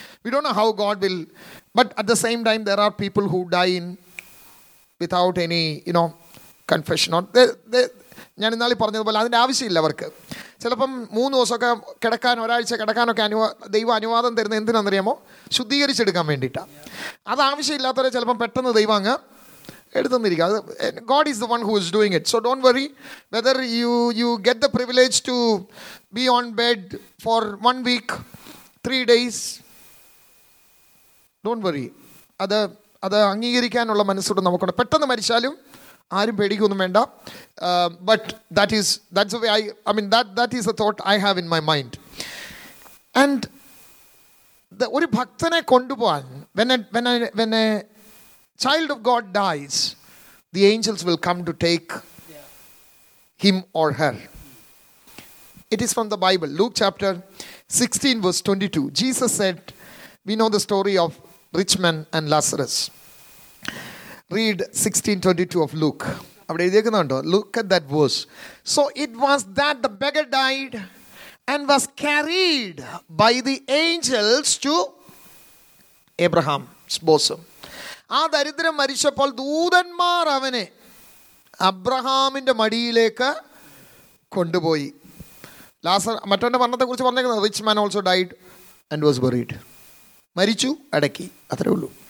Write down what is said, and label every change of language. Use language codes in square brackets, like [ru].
[en] We don't know how God will, but at the same time there are people who die in without any, you know, confession. [ml] ഞാൻ ഇന്നാളി പറഞ്ഞതുപോലെ അതിൻ്റെ ആവശ്യമില്ല അവർക്ക്. ചിലപ്പം 3 ദിവസമൊക്കെ കിടക്കാൻ, ഒരാഴ്ച കിടക്കാനൊക്കെ ദൈവം അനുവാദം തരുന്ന എന്തിനാണെന്നറിയാമോ? ശുദ്ധീകരിച്ചെടുക്കാൻ വേണ്ടിയിട്ടാണ്. അതാവശ്യമില്ലാത്തവരെ ചിലപ്പം പെട്ടെന്ന് ദൈവം അങ്ങ് എടുത്തുന്നിരിക്കുക. അത് [en] God is the one who is doing it. So don't worry whether you get the privilege to be on bed for 1 week, 3 days. Don't worry, [ml] അത് അംഗീകരിക്കാനുള്ള മനസ്സോടെ നമുക്കുണ്ട്. പെട്ടെന്ന് മരിച്ചാലും ആരും പേടിക്കൊന്നും വേണ്ട. [en] But that is the thought I have in my mind. And the [ml] ഒരു ഭക്തനെ കൊണ്ടുപോകാൻ, [en] when a child of God dies, the angels will come to take him or her. It is from the Bible, Luke chapter 16 verse 22. Jesus said, we know the story of rich man and Lazarus. Read 16:22 of Luke. [ml] അവിടെ എഴുതിയേക്കുന്നുണ്ടോ? [en] Look at that verse. So it was that the beggar died and was carried by the angels to Abraham's bosom. [ml] ആ ദരിദ്രൻ മരിച്ചപ്പോൾ ദൂതന്മാർ അവനെ അബ്രഹാമിൻ്റെ മടിയിലേക്ക് കൊണ്ടുപോയി. ലാസർ മറ്റവൻ്റെ മരണത്തെക്കുറിച്ച് പറഞ്ഞേക്കുന്നത്, [en] Rich man also died and was buried. [ml] മരിച്ചു, അടക്കി, അത്രേ ഉള്ളൂ.